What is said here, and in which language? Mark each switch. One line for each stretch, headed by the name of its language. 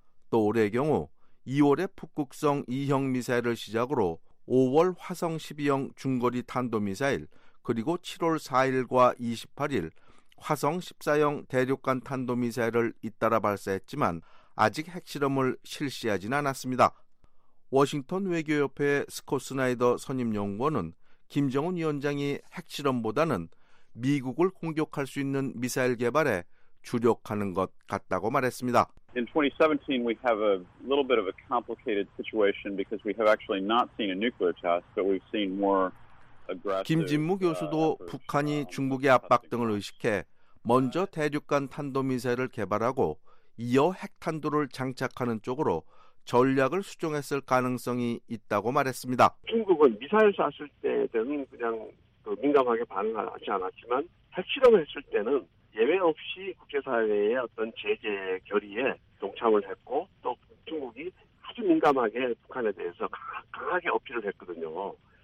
Korean: 또 올해의 경우 2월에 북극성 2형 미사일을 시작으로 5월 화성 12형 중거리 탄도미사일 그리고 7월 4일과 28일 화성 14형 대륙간 탄도미사일을 잇따라 발사했지만 아직 핵실험을 실시하진 않았습니다. 워싱턴 외교협회의 스콧 스나이더 선임연구원은 김정은 위원장이 핵실험보다는 미국을 공격할 수 있는 미사일 개발에 주력하는 것 같다고 말했습니다.
English: In 2017, we have a little bit of a complicated situation because we have actually not seen a nuclear test, but we've seen more aggressive.
Korean: 김진무 교수도 북한이 중국의 압박 등을 의식해 먼저 대륙간 탄도미사일을 개발하고 이어 핵탄두를 장착하는 쪽으로 전략을 수정했을 가능성이 있다고 말했습니다. 중국은 미사일 쐈을 때는 그냥 민감하게 반응하지 않았지만 핵실험을 했을 때는 예외 없이 국제사회의 어떤 제재 결의에 동참을 했고 또 중국이 아주 민감하게 북한에 대해서 강하게 어필을 했거든요.